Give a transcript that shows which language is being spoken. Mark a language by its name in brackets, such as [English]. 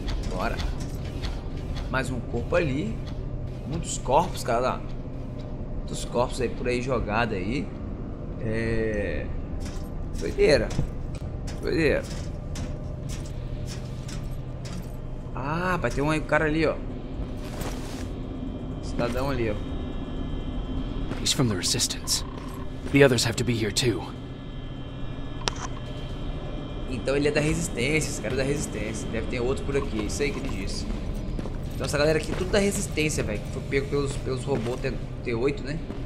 [Portuguese] Bora. Mais um corpo ali. Muitos corpos, cara. Lá. Muitos corpos aí por aí jogado aí. É. Doideira. Doideira. Ah, rapaz, tem um aí, cara ali, ó. Cidadão ali, ó. [English] He's from the resistance. The others have to be here too. [Portuguese] Então ele é da resistência, esse cara é da resistência. Deve ter outro por aqui, isso aí que ele disse. Então essa galera aqui é tudo da resistência, velho. Foi pego pelos robôs T8, né?